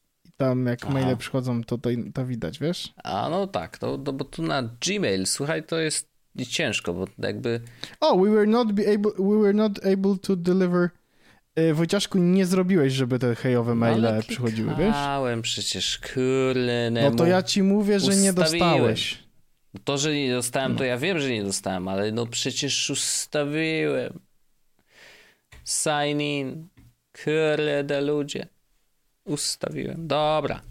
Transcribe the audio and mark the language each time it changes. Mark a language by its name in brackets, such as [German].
[Polish] I tam jak maile przychodzą, to widać, wiesz? A no tak, to bo tu na Gmail, słuchaj, to jest ciężko, bo jakby... [English] We were not able to deliver... [Polish] Wojciaszku, nie zrobiłeś, żeby te hejowe maile przychodziły, wiesz? Dostałem przecież, kurde. No to ja ci mówię, że ustawiłem. Nie dostałeś. To, że nie dostałem, to ja wiem, że nie dostałem, ale no przecież ustawiłem. [English] Sign in. [Polish] Kurde ludzie. Ustawiłem. Dobra.